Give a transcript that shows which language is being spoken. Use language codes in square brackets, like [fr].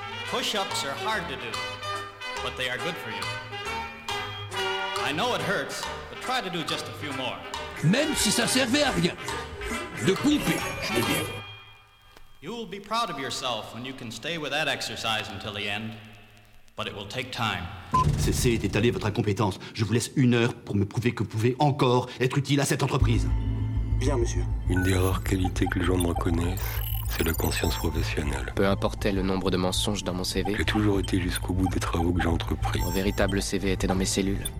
[en] Push-ups are hard to do, but they are good for you. I know it hurts, but try to do just a few more. [fr] Même si ça servait à rien, de pomper, je veux dire. [en] You will be proud of yourself when you can stay with that exercise until the end. But it will take time. [fr] Cessez d'étaler votre incompétence. Je vous laisse une heure pour me prouver que vous pouvez encore être utile à cette entreprise. Bien, monsieur. Une des rares qualités que les gens me reconnaissent, c'est la conscience professionnelle. Peu importe le nombre de mensonges dans mon CV. J'ai toujours été jusqu'au bout des travaux que j'ai entrepris. Mon véritable CV était dans mes cellules.